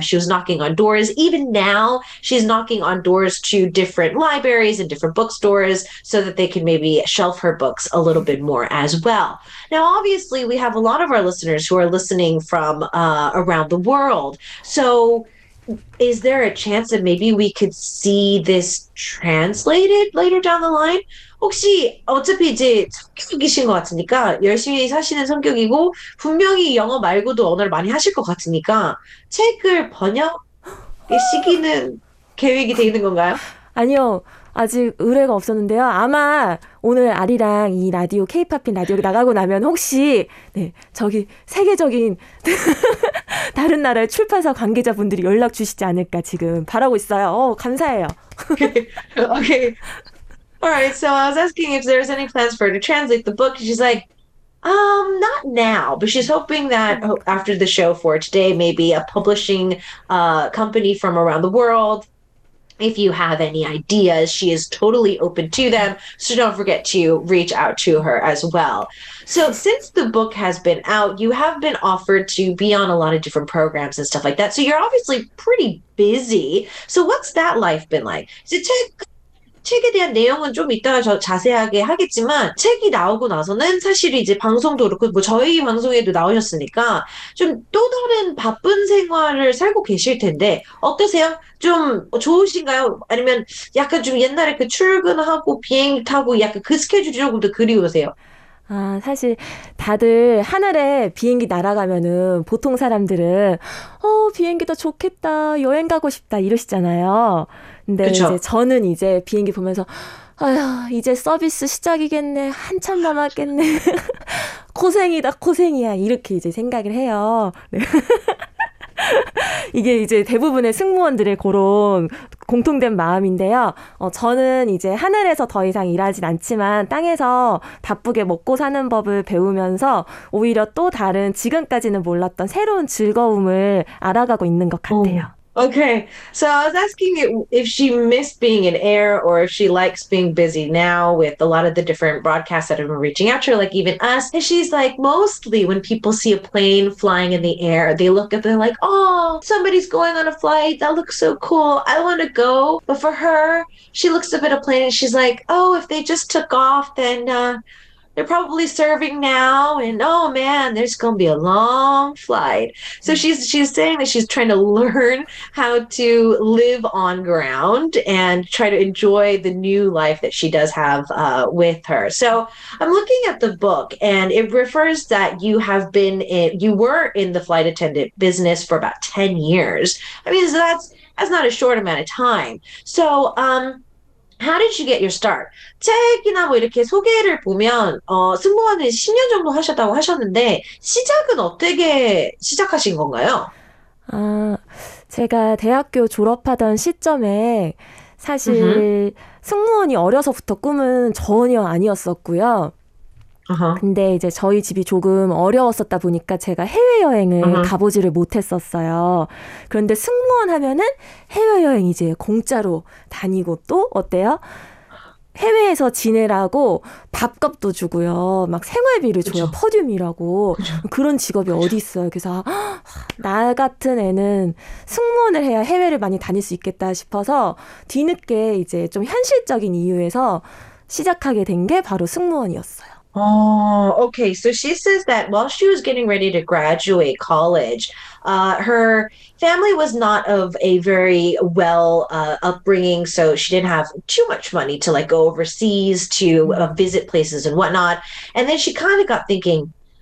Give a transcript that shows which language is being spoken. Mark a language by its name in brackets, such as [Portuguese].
[English] She was knocking on doors. Even now, she's knocking on doors to different libraries and different bookstores so that they can maybe shelf her books a little bit more as well. Now, obviously, we have a lot of our listeners who are listening from around the world. So, is there a chance that maybe we could see this translated later down the line? [Korean] 혹시 어차피 이제 성격이신 것 같으니까 열심히 사시는 성격이고 분명히 영어 말고도 언어를 많이 하실 것 같으니까 책을 번역하시기는 계획이 돼 있는 건가요? 아니요. 아직 의뢰가 없었는데요. 아마 오늘 아리랑 이 라디오 케이팝인 라디오 나가고 나면 혹시 네, 저기 세계적인 다른 나라의 출판사 관계자분들이 연락 주시지 않을까 지금 바라고 있어요. 감사해요. [English] Okay. All right. So I was asking if there's any plans for her to translate the book. She's like, not now, but she's hoping that after the show for today, maybe a publishing company from around the world. If you have any ideas, she is totally open to them. So don't forget to reach out to her as well. So since the book has been out, you have been offered to be on a lot of different programs and stuff like that. So you're obviously pretty busy. So what's that life been like? Is it [Korean] 책에 대한 내용은 좀 이따가 더 자세하게 하겠지만 책이 나오고 나서는 사실 이제 방송도 그렇고 뭐 저희 방송에도 나오셨으니까 좀또 다른 바쁜 생활을 살고 계실 텐데 어떠세요? 좀 좋으신가요? 아니면 약간 좀 옛날에 그 출근하고 비행기 타고 약간 그 스케줄이 조금 더 그리우세요? 아, 사실 다들 하늘에 비행기 날아가면은 보통 사람들은 비행기도 좋겠다. 여행 가고 싶다. 이러시잖아요. 근데 그쵸? 이제 저는 이제 비행기 보면서 아휴, 이제 서비스 시작이겠네. 한참 남았겠네. 고생이다. 고생이야. 이렇게 이제 생각을 해요. 네. 이게 이제 대부분의 승무원들의 그런 공통된 마음인데요. 저는 이제 하늘에서 더 이상 일하진 않지만 땅에서 바쁘게 먹고 사는 법을 배우면서 오히려 또 다른 지금까지는 몰랐던 새로운 즐거움을 알아가고 있는 것 같아요. [English] Okay, so I was asking if she missed being an heir or if she likes being busy now with a lot of the different broadcasts that have been reaching out to her, like even us. And she's like, mostly when people see a plane flying in the air, they look up, they're like, oh, somebody's going on a flight. That looks so cool. I want to go. But for her, she looks up at a plane and she's like, oh, if they just took off, then they're probably serving now, and oh man, there's gonna be a long flight. So she's saying that she's trying to learn how to live on ground and try to enjoy the new life that she does have with her. So I'm looking at the book, and it refers that you were in the flight attendant business for about 10 years. I mean, so that's not a short amount of time. So How did you get your start? [Korean] 책이나 뭐 이렇게 소개를 보면, 승무원은 10년 정도 하셨다고 하셨는데, 시작은 어떻게 시작하신 건가요? 제가 대학교 졸업하던 시점에 사실 승무원이 어려서부터 꿈은 전혀 아니었었고요. 근데 이제 저희 집이 조금 어려웠었다 보니까 제가 해외여행을 가보지를 못했었어요. 그런데 승무원 하면은 해외여행 이제 공짜로 다니고 또 어때요? 해외에서 지내라고 밥값도 주고요. 막 생활비를 줘요. 그렇죠. 퍼듐이라고. 그런 직업이 그렇죠. 어디 있어요. 그래서 나 같은 애는 승무원을 해야 해외를 많이 다닐 수 있겠다 싶어서 뒤늦게 이제 좀 현실적인 이유에서 시작하게 된게 바로 승무원이었어요. [English] Oh, okay. So she says that while she was getting ready to graduate college, her family was not of a very well upbringing, so she didn't have too much money to like go overseas to visit places and whatnot. And then she kind of got thinking,